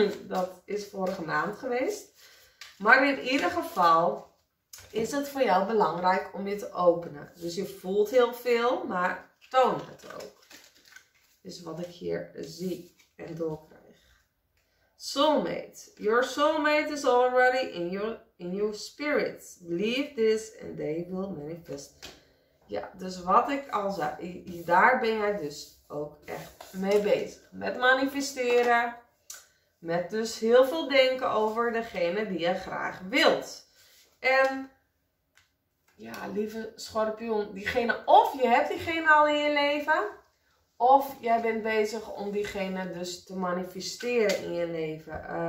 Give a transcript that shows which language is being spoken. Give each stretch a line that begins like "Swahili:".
Dutch: Dat is vorige maand geweest. Maar in ieder geval is het voor jou belangrijk om je te openen. Dus je voelt heel veel, maar toon het ook. Is wat ik hier zie en doorkrijg.
English: Soulmate. Your soulmate is already in your spirit. Believe this and they will manifest.
Dutch: Ja, dus wat ik al zei. Daar ben jij dus ook echt mee bezig. Met manifesteren. Met dus heel veel denken over degene die je graag wilt. En ja, lieve schorpioen, diegene, of je hebt diegene al in je leven, of jij bent bezig om diegene dus te manifesteren in je leven.